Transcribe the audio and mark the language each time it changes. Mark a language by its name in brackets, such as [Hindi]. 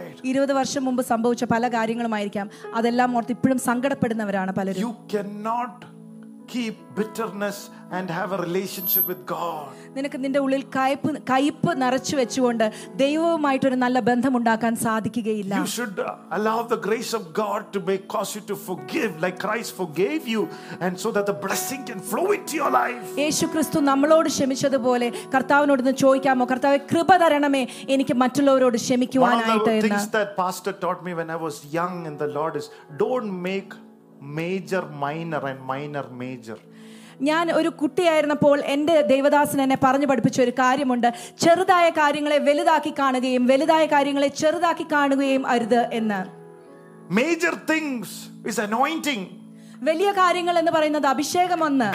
[Malayalam] 20 വർഷം മുമ്പ് സംഭവിച്ച പല കാര്യങ്ങളുമായിരിക്കാം, അതെല്ലാം ഓർത്ത് ഇപ്പോഴും സങ്കടപ്പെടുന്നവരാണ് പലരും. [English] You cannot keep bitterness and have a relationship with God. [Malayalam] നിനക്ക് നിന്റെ ഉള്ളിൽ കയ്പ് നിറച്ചു വെച്ചുകൊണ്ട് ദൈവവുമായിട്ട് ഒരു നല്ല ബന്ധം ഉണ്ടാക്കാൻ സാധിക്കുകയില്ല. [English] You should allow the grace of God to make cause you to forgive like Christ forgave you, and so that the blessing can flow into your life. [Malayalam] യേശുക്രിസ്തു നമ്മളോട് ക്ഷമിച്ചതുപോലെ കർത്താവിനോട് നിന്ന് ചോദിക്കാമോ, കർത്താവേ കൃപ തരണമേ എനിക്ക് മറ്റുള്ളവരോട് ക്ഷമിക്കുവാനായിട്ട് എന്ന്. [English] One of the things that pastor taught me when I was young in the Lord is don't make major minor and minor major. [Malayalam] ഞാൻ ഒരു കുട്ടിയായിരുന്നപ്പോൾ എന്റെ ദൈവദാസൻ എന്നെ പറഞ്ഞു പഠിപ്പിച്ച ഒരു കാര്യമുണ്ട്, ചെറുതായ കാര്യങ്ങളെ വലുതാക്കി കാണുകയും വലുതായ കാര്യങ്ങളെ ചെറുതാക്കി കാണുകയും അരുത് എന്ന്. [English] Major things is anointing. [Malayalam] വലിയ കാര്യങ്ങൾ എന്ന് പറയുന്നത് അഭിഷേകമെന്ന്.